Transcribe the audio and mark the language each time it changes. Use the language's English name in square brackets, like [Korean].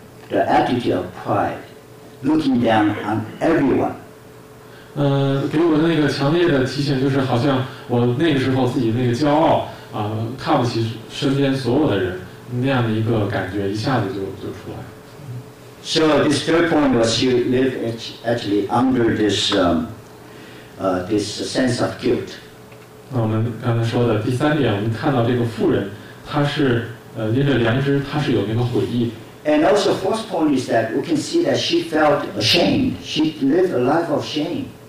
[English] The attitude of pride, looking down on everyone. [Chinese] 给我的那个强烈的提醒就是，好像我那个时候自己那个骄傲啊，看不起身边所有的人，那样的一个感觉一下子就出来。 [English] So this third point was you live actually under this this sense of guilt. [Chinese] 那我们刚才说的第三点，我们看到这个妇人，她是拎着良知，她是有那个悔意。 [English] And also, fourth point is that we can see that she felt ashamed. She lived a life of shame.